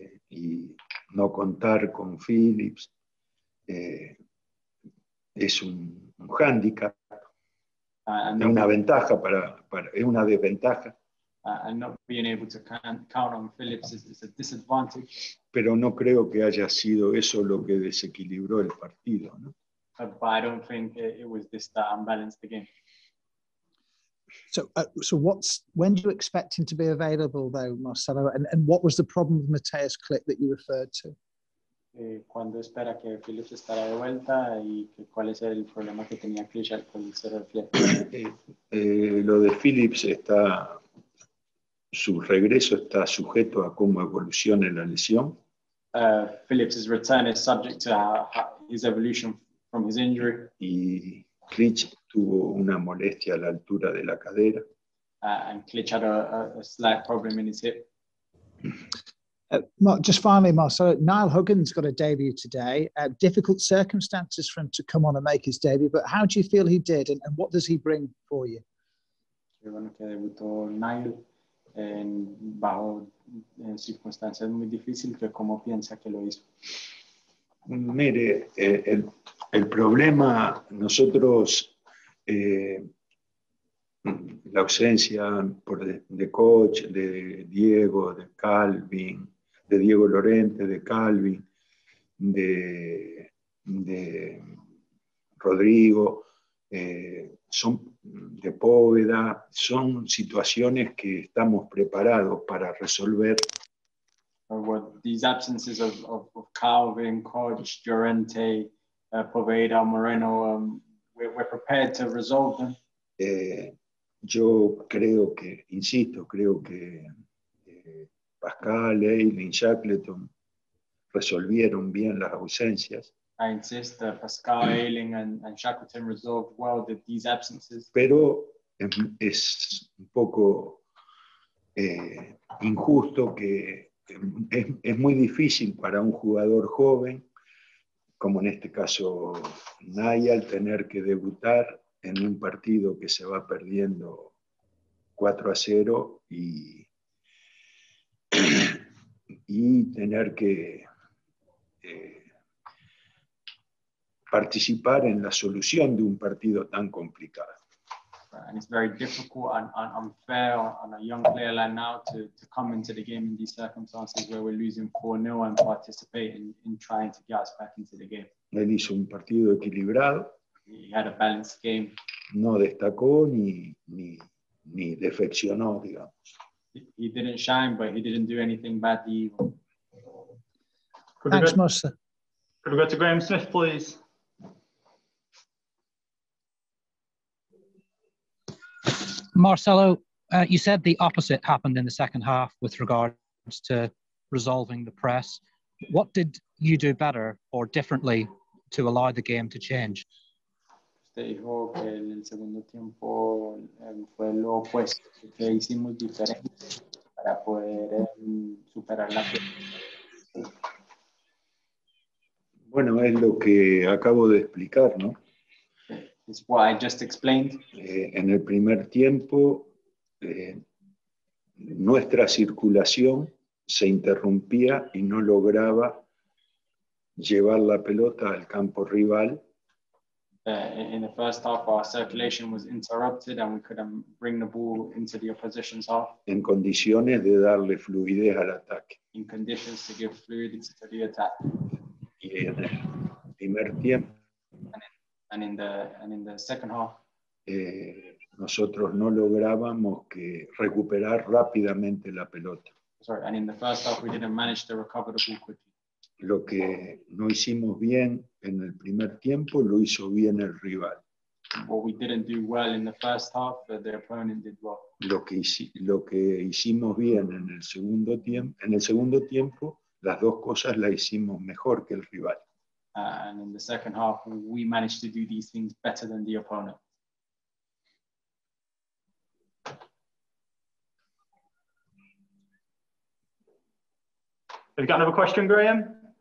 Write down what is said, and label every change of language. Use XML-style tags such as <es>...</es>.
<es>Y no contar con Phillips es un hándicap, es una ventaja para es una desventaja.</es> <en>And not being able to count on Phillips is a disadvantage.</en> <es>Pero no creo que haya sido eso lo que desequilibró el partido, ¿no?</es> <en>But I don't think it was this that unbalanced the game. So when do you expect him to be available, though, Marcelo? And what was the problem with Mateus Klik that you referred to?</en> <es>¿Cuándo espera que Phillips estará de vuelta y cuál es el problema que tenía Klik al comenzar el partido? Lo de Phillips está su regreso está sujeto a cómo evolucione la lesión.</es> <en>Phillips's return is subject to his evolution from his injury.</en> <es>Y Klitsch tuvo una molestia a la altura de la cadera.</es> <en>And Klitsch had a slight problem in his hip. Just finally, Marcel, Niall Huggins got a debut today. Difficult circumstances for him to come on and make his debut, but how do you feel he did and what does he bring for you?</en> <es>Bueno, que debutó Niall en bajo circunstancias muy difíciles, pero ¿cómo piensa que lo hizo? Mire, el problema, nosotros, la ausencia de coach, de Diego, de Calvin, de Diego Lorente, de Calvin, de Rodrigo, son de Póveda, son situaciones que estamos preparados para resolver.</es> <en>What these absences of Calvin, Coach, Llorente, Poveda, Moreno, we're prepared to resolve them.</en> <es>Yo creo que, insisto, creo que Pascal, Eileen, Shackleton resolvieron bien las ausencias.</es> <en>I insist that Pascal, Eileen, and Shackleton resolved well these absences.</en> <es>Pero es un poco injusto que es muy difícil para un jugador joven, como en este caso Niall, tener que debutar en un partido que se va perdiendo 4-0 y tener que participar en la solución de un partido tan complicado.</es> <en>And it's very difficult and unfair on a young player like now to come into the game in these circumstances where we're losing 4-0 and participate in trying to get us back into the game.</en> <es>Él hizo un partido equilibrado.</es> <en>He had a balanced game.</en> <es>No destacó ni defeccionó, digamos.</es> <en>He didn't shine, but he didn't do anything bad either. Thanks, Marcel. Could we go to Graham Smith, please? Marcelo, you said the opposite happened in the second half with regards to resolving the press. What did you do better or differently to allow the game to change?</en> <es>Usted dijo que en el segundo tiempo fue lo opuesto, que hicimos diferente para poder superar la presión. Bueno, es lo que acabo de explicar, ¿no?</es> <en>It's what I just explained.</en> <es>En el primer tiempo, nuestra circulación se interrumpía y no lograba llevar la pelota al campo rival.</es> <en>In the first half, our circulation was interrupted and we couldn't bring the ball into the opposition's half.</en> <es>En condiciones de darle fluidez al ataque.</es> <en>In conditions to give fluidity to the attack.</en> <es>Y en el primer tiempo.</es> <en>And in the second half,</en> <es>nosotros no lográbamos que recuperar rápidamente la pelota.</es> <en>Sorry, and in the first half we didn't manage to recover the ball quickly.</en> <es>Lo que no hicimos bien en el primer tiempo lo hizo bien el rival.</es> <en>What we didn't do well in the first half, but the opponent did well.</en> <es>Lo que hicimos bien en el segundo tiempo, las dos cosas las hicimos mejor que el rival.</es> <en>And in the second half, we managed to do these things better than the opponent. Have you got another question, Graham?</en>